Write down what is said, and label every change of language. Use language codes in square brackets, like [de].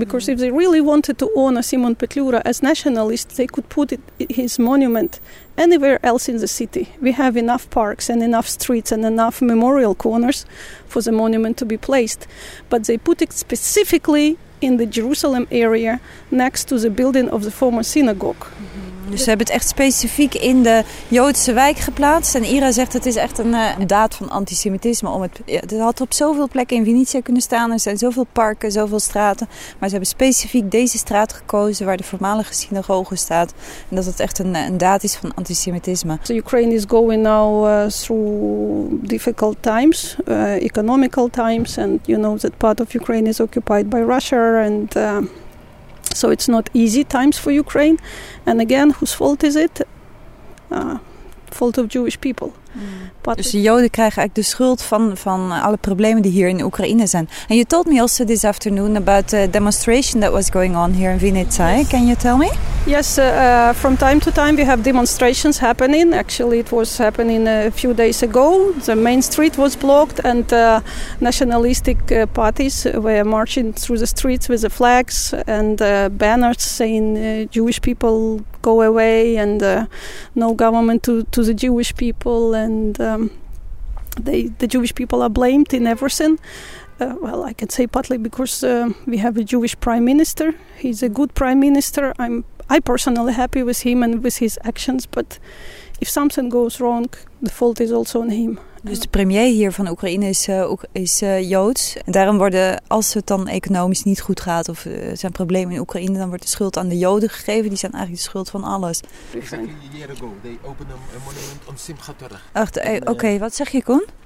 [en] Because if they really wanted to honor Simon Petlura as nationalist, they could put his monument anywhere else in the city. We have enough parks and enough streets and enough memorial corners for the monument to be placed. But they put it specifically in the Jerusalem area next to the building of the former synagogue. Mm-hmm. [nl] Dus ze hebben het echt specifiek in de Joodse wijk geplaatst. En Ira zegt het is echt een daad van antisemitisme. Het had op zoveel plekken in Vinnytsia kunnen staan. Er zijn zoveel parken, zoveel straten. Maar ze hebben specifiek deze straat gekozen waar de voormalige synagoge staat. En dat het echt een daad is van antisemitisme. [en] So Ukraine is going now through difficult times, economical times. And you know that part of Ukraine is occupied by Russia and so it's not easy times for Ukraine. And again, whose fault is it? Fault of Jewish people. Mm. [nl] But dus de Joden krijgen eigenlijk de schuld van alle problemen die hier in Oekraïne zijn. [en] And you told me also this afternoon about a demonstration that was going on here in Vinnytsia. Yes. Can you tell me? Yes, from time to time we have demonstrations happening. Actually, it was happening a few days ago. The main street was blocked and nationalistic parties were marching through the streets with the flags and banners saying Jewish people go away and no government to the Jewish people. And the Jewish people are blamed in everything. Well, I can say partly because we have a Jewish prime minister. He's a good prime minister. I'm personally happy with him and with his actions, but if something goes wrong, the fault is also on him. [nl] Dus de premier hier van Oekraïne is Joods. En daarom worden, als het dan economisch niet goed gaat of zijn problemen in Oekraïne, dan wordt de schuld aan de Joden gegeven. Die zijn eigenlijk de schuld van alles. [en] They opened a monument on Simchat [nl] Torah. Ach, oké, wat zeg je, Koen?